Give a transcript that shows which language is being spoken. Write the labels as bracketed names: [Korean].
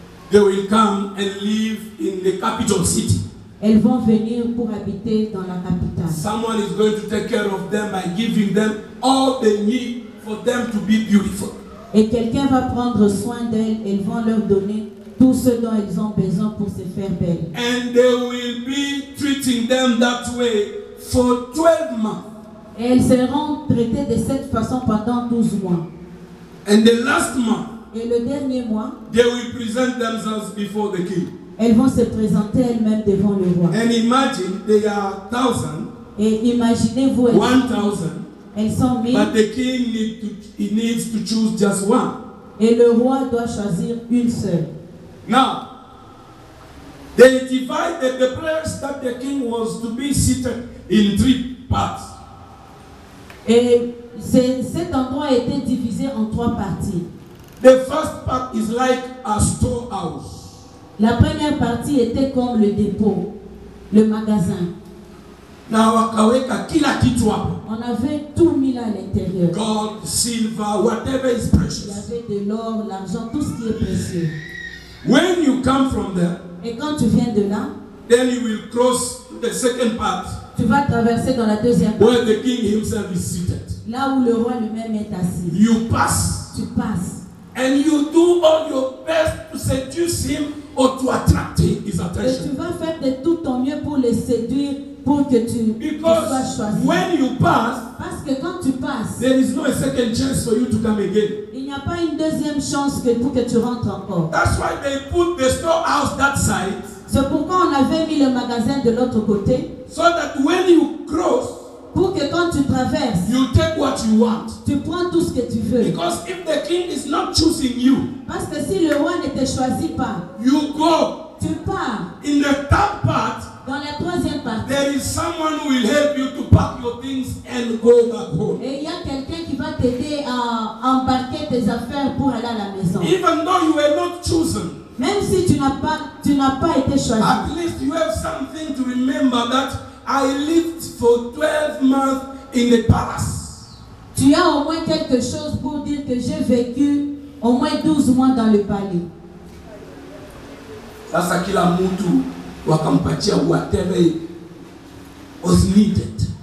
[English] They will come and live in the capital city. [French] Elles vont venir pour habiter dans la capitale. [English] Someone is going to take care of them by giving them all they need for them to be beautiful. [French] Et quelqu'un va prendre soin d'elles. Elles vont leur donner tout ce dont elles ont besoin pour se faire belles. [English] And they will be treating them that way for 12 months. [French] Et elles seront traitées de cette façon pendant 12 mois. [English] And the last month, [French] et le dernier mois, [English] they will present themselves before the king. [French] Elles vont se présenter elles-mêmes devant le roi. [English] And imagine they are 1,000. [French] Et imaginez-vous, elles sont 1,000. [English] But the king needs to choose just one. [French] Et le roi doit choisir une seule. [English] Now, they divided the place that the king was to be seated in 3 parts. [French] Et cet endroit a été divisé en 3 parties. [English] The first part is like a storehouse. [French] La première partie était comme le dépôt, le magasin. [Swahili] Now, akaweka kila kitu hapo. [French] On avait tout mis à l'intérieur. [English] Gold, silver, whatever is precious. [French] Il y avait de l'or, l'argent, tout ce qui est précieux. [English] When you come from there, [French] et quand tu viens de là, [English] then you will cross the second part. [French] Tu vas traverser dans la deuxième partie. [English] Where the king himself is seated. [French] Là où le roi lui-même est assis. [English] You pass. [French] Tu passes. [English] And you do all your best to seduce him or to attract his attention. [French] Et tu vas faire de tout ton mieux pour le séduire, pour que tu sois choisi. [English] When you pass, [French] parce que quand tu passes, [English] there is no second chance for you to come again. [French] Il n'y a pas une deuxième chance pour que tu rentres encore. [English] That's why they put the storehouse that side. [French] C'est pourquoi on avait mis le magasin de l'autre côté. [English] So that when you cross, [French] pour que quand tu traverses, [English] you take what you want. [French] Tu prends tout ce que tu veux. [English] Because if the king is not choosing you, [French] parce que si le roi ne te choisit pas, [English] you go. [French] Tu pars. [English] In the third part, [French] dans la troisième partie, [English] there is someone who will help you to pack your things and go back home. [French] Et il y a quelqu'un qui va t'aider à embarquer tes affaires pour aller à la maison. [English] Even though you were not chosen, [French] même si tu n'as pas été choisi, [English] at least you have something to remember that I lived for 12 months in the palace. [French] Tu as au moins quelque chose pour dire que j'ai vécu au moins 12 mois dans le palais. [Swahili] Sasa kila mtu wakampatia [English] whatever was needed.